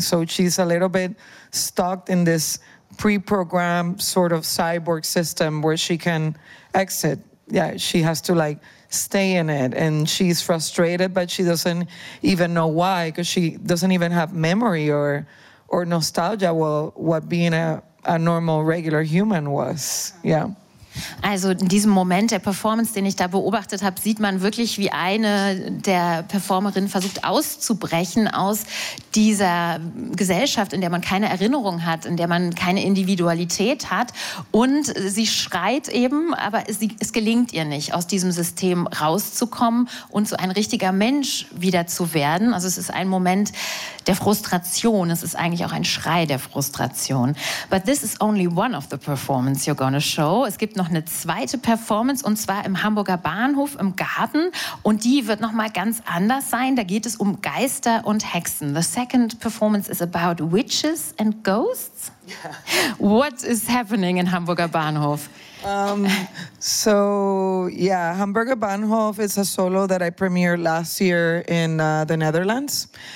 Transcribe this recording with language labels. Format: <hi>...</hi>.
<en>So she's a little bit stuck in this pre-programmed sort of cyborg system where she can exit. Yeah, she has to like stay in it, and she's frustrated, but she doesn't even know why, because she doesn't even have memory or nostalgia of what being a normal, regular human was. Yeah.</en> <de>Also in diesem Moment der Performance, den ich da beobachtet habe, sieht man wirklich, wie eine der Performerinnen versucht auszubrechen aus dieser Gesellschaft, in der man keine Erinnerung hat, in der man keine Individualität hat. Und sie schreit eben, aber es gelingt ihr nicht, aus diesem System rauszukommen und so ein richtiger Mensch wieder zu werden. Also es ist ein Moment der Frustration. Es ist eigentlich auch ein Schrei der Frustration.</de> <en>But this is only one of the performances you're gonna show.</en> <de>Es gibt noch eine zweite Performance, und zwar im Hamburger Bahnhof im Garten, und die wird noch mal ganz anders sein. Da geht es um Geister und Hexen.</de> <en>The second performance is about witches and ghosts. Yeah. What is happening in Hamburger Bahnhof? So yeah, Hamburger Bahnhof is a solo that I premiered last year in the Netherlands.</en>